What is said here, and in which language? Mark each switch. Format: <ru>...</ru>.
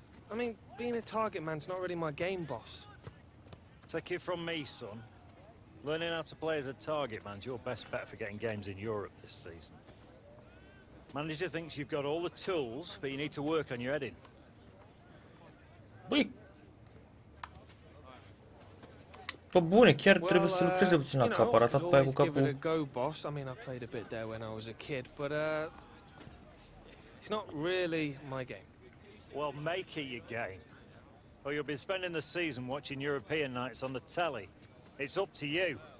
<en>I mean, being a target man's not really my game, boss. Take it from me, son. Learning how to play as a target man's your best bet for getting games in Europe this season. Manager thinks you've got all the tools, but you need to work on your heading.</en> <ro>Băi! Pă bune, chiar trebuie să lucreze puțin la cap, arătat pe aia cu capul.</ro> <en>Well, you know, I could always give it a go, boss. I mean, I played a bit there when I was a kid, but, it's not really my game. Well, make it your game. Or you'll be spending the season watching European nights on the telly. It's up to you.</en>